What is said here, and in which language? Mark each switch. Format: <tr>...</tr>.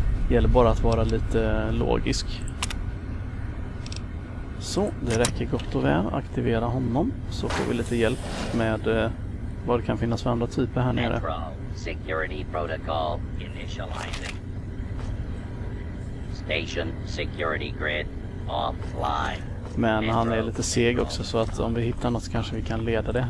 <sv>Gäller bara att vara lite logisk. Så Så, det räcker gott och väl. Aktivera honom. Så får vi lite hjälp med vad det kan finnas för andra typer här nere.</sv> <en>Metro Security Protocol initializing. Station Security Grid offline.</en> <sv>Men han är lite seg också, så att om vi hittar något kanske vi kan leda det.</sv>